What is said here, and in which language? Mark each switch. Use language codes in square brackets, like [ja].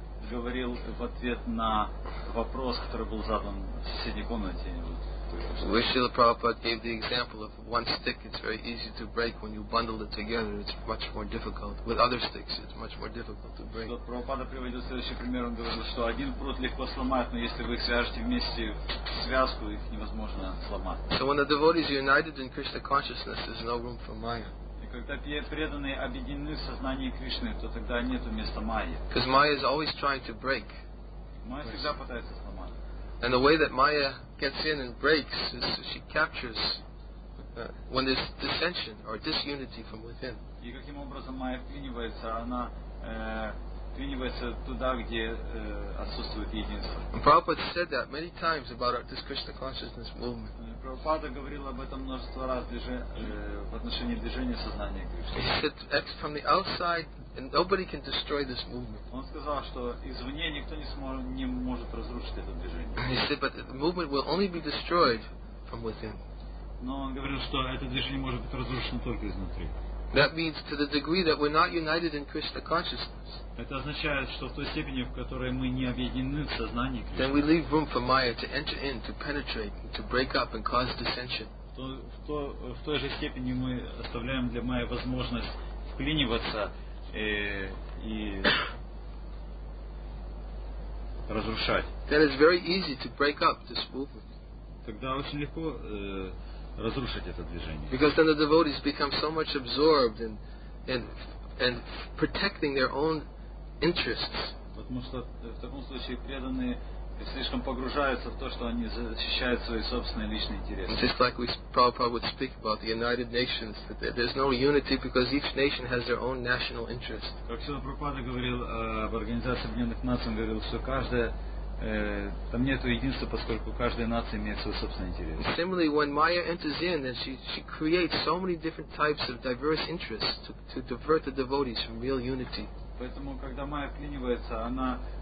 [ru] Говорил в ответ на вопрос, который был задан в соседней комнате. [en] Шрила Прабхупада gave the example of one stick. It's very easy to break. When you bundle it together, it's much more difficult. With other sticks, it's much more difficult to break. [ru] Прабхупада приводил следующий пример. Он говорил, что один прут легко сломать, но если вы их свяжете вместе в связку, их невозможно сломать. [en] So when the devotees are united in Krishna consciousness, there's no room for Maya. [ru] Когда преданные объединены в сознании Кришны, то тогда нет места Майи. [en] Because Maya is always trying to break. [ru] Майя всегда пытается сломать. [en] And the way that Maya gets in and breaks is she captures when there's dissension or disunity from within. [ru] И каким образом Майя вклинивается? Она вклинивается туда, где отсутствует единство. [en] And Prabhupada said that many times about this Krishna consciousness movement. [ru] Прабхупада говорил об этом множество раз в отношении движения сознания Кришны. Он сказал, что извне никто не может разрушить это движение. [en] He said, but the movement will only be destroyed from within. [ru] Но он говорил, что это движение может быть разрушено только изнутри. [en] That means to the degree that we're not united in Krishna consciousness. [ru] Это означает, что в той степени, в которой мы не объединены в сознании Кришны. [en] Then we leave room for Maya to enter in, to penetrate, to break up and cause dissension. [ru] В той же степени мы оставляем для Майи возможность вклиниваться и разрушать. [en] Then it's very easy to break up this movement. [ru] Тогда очень легко разрушить это движение. [en] Because then the devotees become so much absorbed in protecting their own interests. [ru] Потому что в таком случае преданные слишком погружаются в то, что они защищают свои собственные личные интересы. [en] Just like we Prabhupada would speak about the United Nations, that there's no unity because each nation has their own national interest. [ru] Как Шрила Прабхупада говорил об Организации Объединенных Наций, он говорил, что каждая там нет единства, поскольку каждая нация имеет свой собственный интерес. [en] Similarly, when Maya enters in, then she creates so many different types of diverse interests to divert the devotees from real unity. [ru] Поэтому, когда Майя вклинивается, она